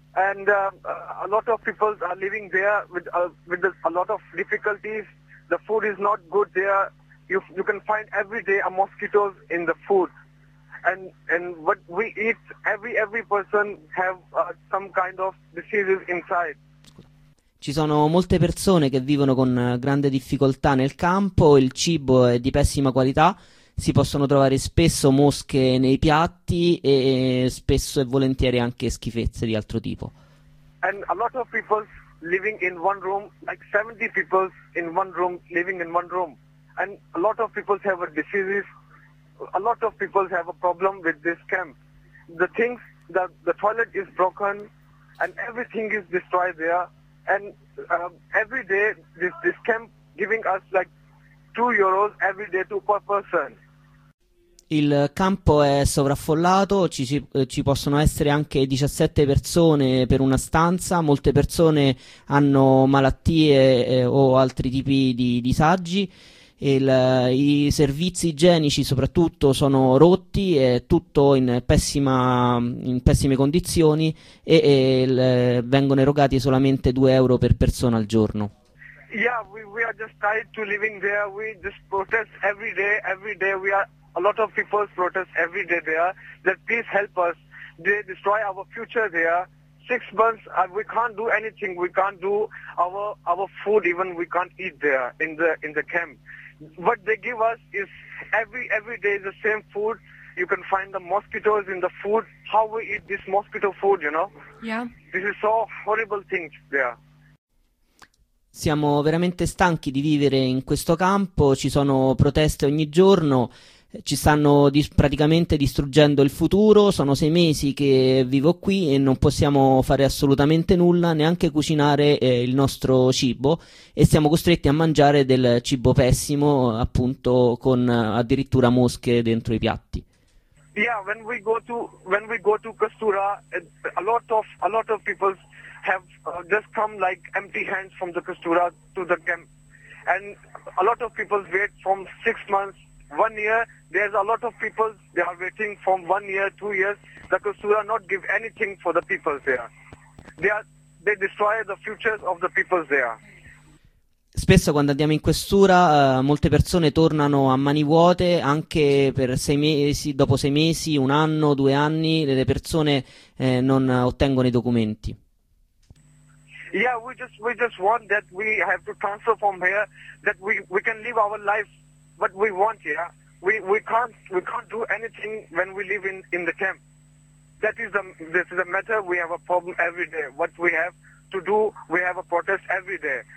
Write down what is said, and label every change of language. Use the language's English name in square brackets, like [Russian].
[English] And a lot of people are living there with a lot of difficulties. The food is not good there. You can find every day a mosquitoes in the food. And what we eat, every person have some kind of diseases inside. [Italian] Ci sono molte persone che vivono con grande difficoltà nel campo. Il cibo è di pessima qualità. Si possono trovare spesso mosche nei piatti e spesso e volentieri anche schifezze di altro tipo. [English] And a lot of people living in one room, like 70 people in one room, living in one room. And a lot of people have a disease. A lot of people have a problem with this camp. The things that the toilet is broken and everything is destroyed there. And every day this camp giving us like 2 euros every day to per person. [Italian] Il campo è sovraffollato, ci possono essere anche 17 persone per una stanza, molte persone hanno malattie o altri tipi di disagi, i servizi igienici soprattutto sono rotti, è tutto in pessime condizioni e vengono erogati solamente 2 euro per persona al giorno. [English] Yeah, we are just tired to living there. We just protest every day. We are a lot of people protest every day there. That please help us. They destroy our future there. 6 months, we can't do anything. We can't do our food even. We can't eat there in the camp. What they give us is every day the same food. you can find the mosquitoes in the food. How we eat this mosquito food, you know? Yeah. This is so horrible things there. [Italian] Siamo veramente stanchi di vivere in questo campo, ci sono proteste ogni giorno, ci stanno praticamente distruggendo il futuro, sono 6 mesi che vivo qui e non possiamo fare assolutamente nulla, neanche cucinare il nostro cibo, e siamo costretti a mangiare del cibo pessimo, appunto con addirittura mosche dentro i piatti. [English] Yeah, when we go to Kastura, a lot of people have just come like empty hands from the Kastura to the camp, and a lot of people wait from 6 months, 1 year. There's a lot of people, they are waiting from 1 year, 2 years. The Kastura not give anything for the people there. They destroy the futures of the people there. [Italian] Spesso quando andiamo in questura molte persone tornano a mani vuote, anche per 6 mesi, dopo 6 mesi, 1 anno, 2 anni, le persone non ottengono i documenti. [English] Yeah, we just want that we have to transfer from here, that we can live our life what we want here. Yeah? We can't do anything when we live in the camp. This is a matter. We have a problem every day. What we have to do, we have a protest every day.